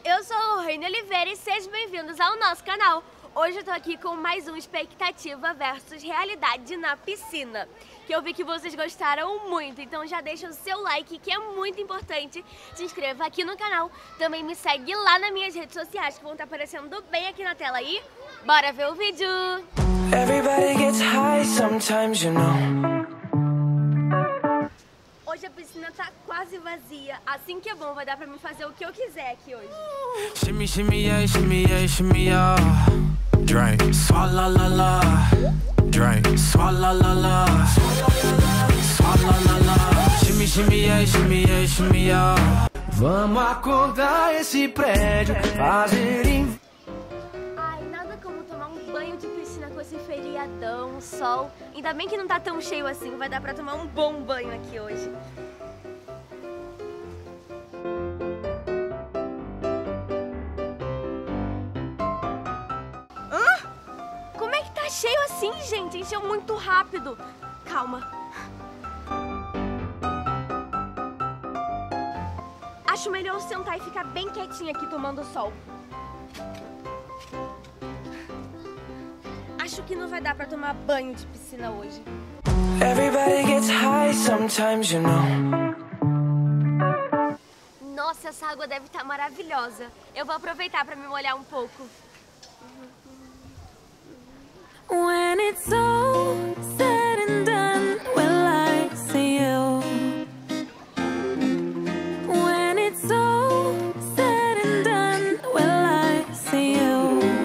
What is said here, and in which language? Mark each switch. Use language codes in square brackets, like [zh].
[pt] Eu sou o Reino Oliveira e sejam bem-vindos ao nosso canal. Hoje eu tô aqui com mais um Expectativa versus Realidade na Piscina, que eu vi que vocês gostaram muito, então já deixa o seu like, que é muito importante. Se inscreva aqui no canal, também me segue lá nas minhas redes sociais, que vão estar aparecendo bem aqui na tela aí. Bora ver o vídeo! [en] Everybody gets high sometimes, you know. [pt] Hoje a piscina tá quase vazia. Assim que é bom, vai dar pra mim fazer o que eu quiser aqui hoje. [en] Shimmy, shimmy, yeah, shimmy, yeah, shimmy, yeah. Drink, swalla, la, la. Drink, swalla, la, la. Swalla, la, la. Shimmy, shimmy, yeah, shimmy, yeah, shimmy, yeah. [pt] Vamos acordar esse prédio, fazer Ai, nada como tomar um banho de piscina com esse feriadão, sol. Ainda bem que não tá tão cheio assim, vai dar pra tomar um bom banho aqui hoje. Cheio assim, gente. Encheu muito rápido. Calma. Acho melhor eu sentar e ficar bem quietinha aqui tomando sol. Acho que não vai dar pra tomar banho de piscina hoje. [en] Everybody gets high sometimes, you know. [pt] Nossa, essa água deve estar maravilhosa. Eu vou aproveitar pra me molhar um pouco. [en] When it's all said and done, will I see you? When it's all said and done, will I see you?